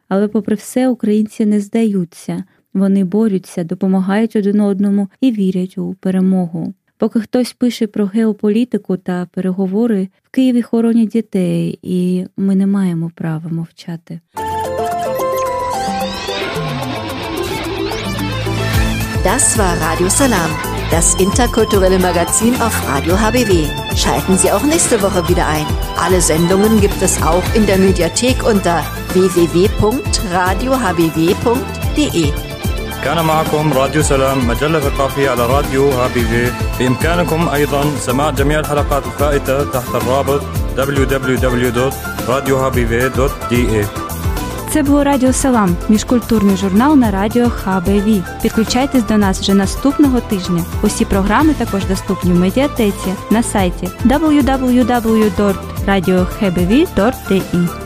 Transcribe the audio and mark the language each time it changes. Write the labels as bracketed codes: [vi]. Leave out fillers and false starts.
[uk] Але попри все, українці не здаються. Вони борються, допомагають один одному і вірять у перемогу. Поки хтось пише про геополітику та переговори, в Києві хоронять дітей, і ми не маємо права мовчати. [de] Das war Radio Salam, das interkulturelle Magazin auf Radio HBW. Schalten Sie auch nächste Woche wieder ein. Alle Sendungen gibt es auch in der Mediathek unter www.radiohbw.de. [ar] كان معكم راديو سلام مجلة ثقافية على راديو HBW. بإمكانكم أيضا سماع جميع الحلقات الفائتة تحت الرابط www.radiohbw.de. [uk] Це було Радіо Салам, міжкультурний журнал на радіо HBW. Підключайтесь до нас вже наступного тижня. Усі програми також доступні в медіатеці на сайті www.radiohbw.de.